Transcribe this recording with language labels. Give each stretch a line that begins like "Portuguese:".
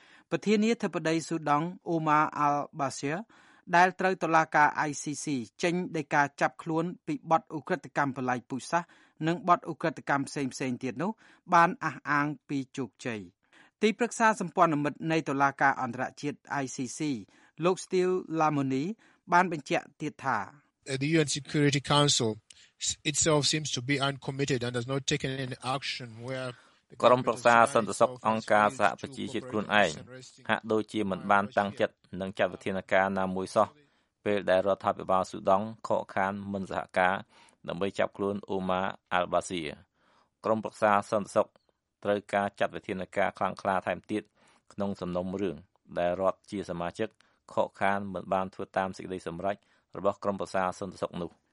Khmer: ប្រធានាធិបតីស៊ូដង់អ៊ូម៉ាអាល់បាសៀដែលត្រូវតុលាការ ICC ចេញដីកាចាប់ខ្លួនពីបទឧក្រិដ្ឋកម្មប្លែកពូជសាសន៍និងបទឧក្រិដ្ឋកម្មផ្សេងៗទៀតនោះបានអះអាងពីជោគជ័យទីប្រឹក្សាសម្ព័ន្ធមិត្តនៃតុលាការអន្តរជាតិ ICC លោក Steve Lamoni បានបញ្ជាក់ទៀតថា
English: The UN Security Council itself seems to be uncommitted and has not taken any action where
Khmer: ក្រុមប្រឹក្សាសន្តិសុខអង្គការសហប្រជាជាតិខ្លួនឯងហាក់ដូចជាមិនបានតាំងចិត្តនឹងចាត់វិធានការណាមួយសោះពេលដែលរដ្ឋាភិបាលស៊ូដង់ខកខានមិនសហការដើម្បីចាប់ខ្លួនអ៊ូម៉ាអាល់បាសៀក្រុមប្រឹក្សាសន្តិសុខត្រូវការចាត់វិធានការខ្លាំងក្លាថែមទៀតក្នុងសំណុំរឿងដែលរដ្ឋជាសមាជិកខកខានមិនបានធ្វើតាមសេចក្តីសម្រេចរបស់ក្រុមប្រឹក្សាសន្តិសុខនោះ